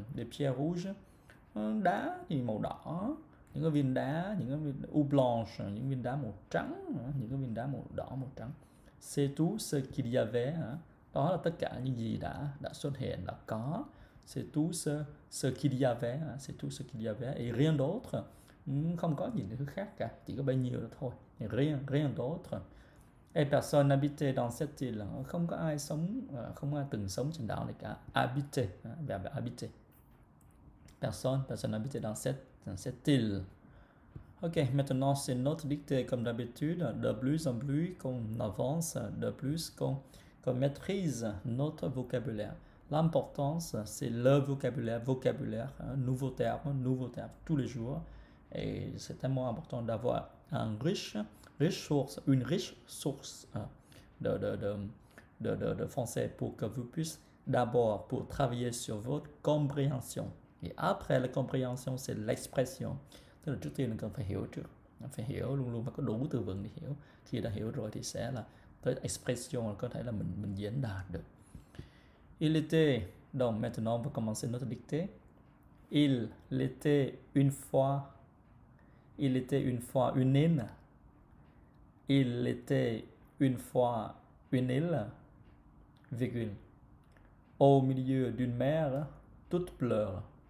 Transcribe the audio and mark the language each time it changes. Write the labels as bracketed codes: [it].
[fr] pierres rouges [vi] đá thì màu đỏ những cái viên [fr] ou blanche [vi] những viên đá màu trắng những cái viên đá màu đỏ màu trắng [fr] c'est tout ce qu'il y avait [vi] đó là tất cả những gì đã xuất hiện đã có [fr] c'est tout ce qu'il y avait c'est tout ce qu'il y avait et rien d'autre [vi] không có gì thứ khác cả chỉ có bấy nhiêu đó thôi [fr] rien rien d'autre Et personne n'habitait dans cette île. [vi] Không có ai sống, không ai từng sống trên đảo này cả. [fr] Habiter, verbe habiter. Personne n'habitait dans cette île. Ok, maintenant c'est notre dictée comme d'habitude. De plus en plus qu'on avance, de plus qu'on maîtrise notre vocabulaire. L'importance, c'est le vocabulaire, nouveau terme tous les jours. Et c'est tellement important d'avoir un riche. Riche source, une riche source de français pour que vous puissiez d'abord pour travailler sur votre compréhension. Et après la compréhension, c'est l'expression. [vi] Tức là trước tiên là cần phải hiểu trước. Phải hiểu luôn luôn, phải có đủ từ vựng để hiểu. Khi đã hiểu rồi thì sẽ là tới expression là có thể là mình diễn đạt được. [fr] Il était, donc maintenant on va commencer notre dictée. Il l'était une fois. Il était une fois une île. Il était une fois une île, virgule, au milieu d'une mer toute bleue.